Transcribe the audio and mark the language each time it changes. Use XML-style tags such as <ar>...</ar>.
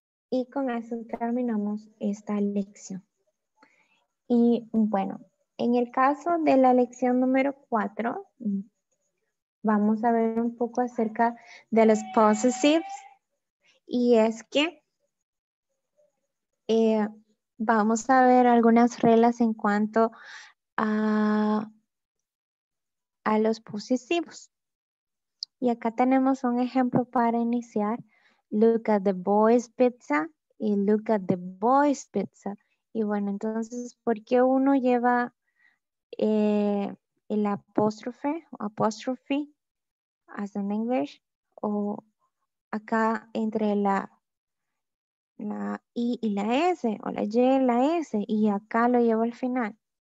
<es>Y con eso terminamos esta lección. Y bueno, en el caso de la lección número 4, vamos a ver un poco acerca de los possessives. Y es que vamos a ver algunas reglas en cuanto a los possessives. Y acá tenemos un ejemplo para iniciar.</es> <en>Look at the boy's pizza y look at the boy's pizza.</en> <es>Y bueno, entonces, ¿por qué uno lleva el apóstrofe? Apóstrofe.</es> <en>As in English,</en> <es>o acá entre la I y la S, o la Y y la S, y acá lo llevo al final.</es>